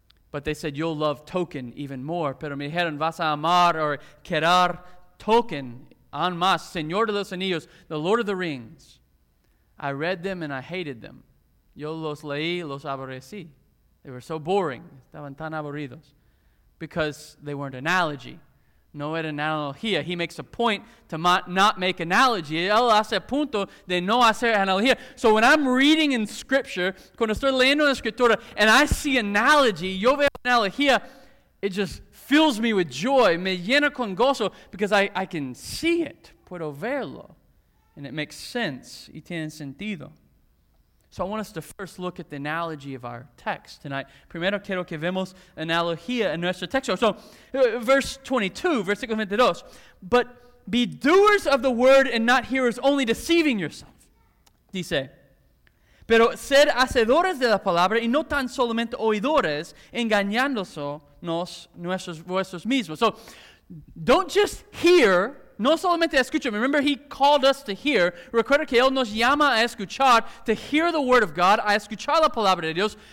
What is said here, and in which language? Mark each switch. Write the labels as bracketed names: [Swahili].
[English] But they said, you'll love Tolkien even more. [Spanish] Pero me dijeron, vas a amar o querer Tolkien en más. [English] Señor de los Anillos, the Lord of the Rings. I read them and I hated them. [Spanish] Yo los leí, los aborrecí. [English] They were so boring. [Spanish] Estaban tan aburridos. [English] Because they weren't analogy. [Spanish] No era analogía. [English] He makes a point to not make analogy. [Spanish] Él hace punto de no hacer analogía. [English] So when I'm reading in Scripture, [Spanish] cuando estoy leyendo en la Escritura, [English] and I see analogy, [Spanish] yo veo analogía, [English] it just fills me with joy. [Spanish] Me llena con gozo [English] because I can see it. [Spanish] Puedo verlo. [English] And it makes sense. [Spanish] Y tiene sentido. [English] So I want us to first look at the analogy of our text tonight. [Spanish] Primero quiero que vemos analogía en nuestro texto. So, versículo 22. [English] But be doers of the word and not hearers, only deceiving yourself. [Spanish] Dice, pero ser hacedores de la palabra y no tan solamente oidores, engañándonos nuestros mismos. [English] So, don't just hear. [Spanish] No solamente escucha. [English] Remember, he called us to hear. [Spanish] Recuerda que él nos llama a escuchar, [English] to hear the word of God, [Spanish] a escuchar la palabra de Dios.